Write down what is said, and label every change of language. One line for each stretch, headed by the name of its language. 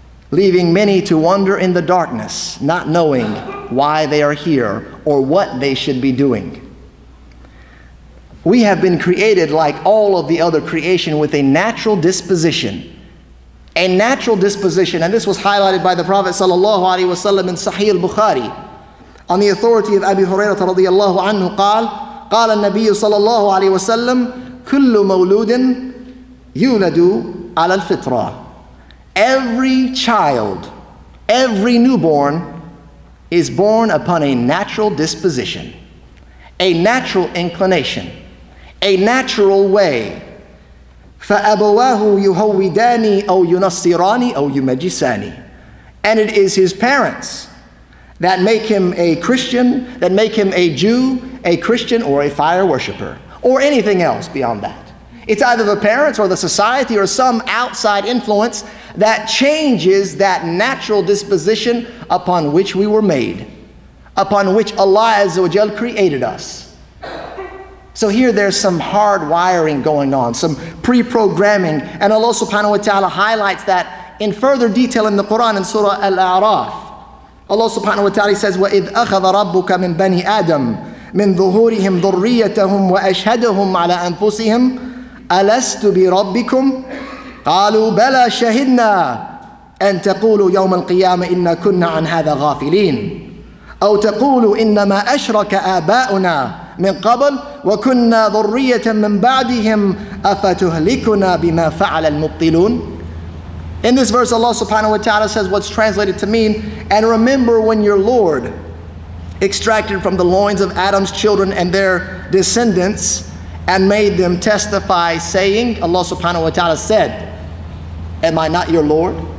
English: leaving many to wander in the darkness, not knowing why they are here or what they should be doing. We have been created like all of the other creation with a natural disposition. A natural disposition, and this was highlighted by the Prophet sallallahu alaihi wasallam in Sahih al-Bukhari. On the authority of
Arabic: Abi Hurairah radiyallahu anhu, قال النبي صلى الله عليه وسلم كل مولود يولد على الفطرة.
English: Every child, every newborn is born upon a natural disposition, a natural inclination, a natural way.
Arabic: فأبواه يهوداني أو ينصراني أو يمجساني.
English: And it is his parents that make him a Christian, that make him a Jew, a Christian, or a fire worshiper, or anything else beyond that. It's either the parents or the society or some outside influence that changes that natural disposition upon which we were made, upon which Allah Azza wa Jal created us. So here there's some hard wiring going on, some pre-programming, and Allah subhanahu wa ta'ala highlights that in further detail in the Quran in Surah Al-A'raf.
Arabic: Allah subhanahu wa ta'ala
English: says,
Arabic: وَإِذْ أَخَذَ رَبُّكَ مِنْ بَنِي آدَمْ مِنْ ظُهُورِهِمْ ذُرِّيَّتَهُمْ وَأَشْهَدَهُمْ عَلَىٰ أَنفُسِهِمْ أَلَسْتُ بِرَبِّكُمْ قَالُوا بَلَىٰ شَهِدْنَا أَن تَقُولُوا يَوْمَ الْقِيَامَةِ إِنَّا كُنَّا عَنْ هَذَا غَافِلِينَ أَوْ تَقُولُوا إِنَّمَا أَشْرَكَ آبَاؤُنَا مِنْ قَبْلِ وَكُنَّا ذُرِّيَّةً مِنْ بَعْدِهِمْ أَفَتُهْلِكُنَا بِمَا فَعَلَ الْمُبْطِلُونَ.
English: In this verse, Allah subhanahu wa ta'ala says what's translated to mean, and remember when your Lord extracted from the loins of Adam's children and their descendants and made them testify saying, Allah subhanahu wa ta'ala said, am I not your Lord?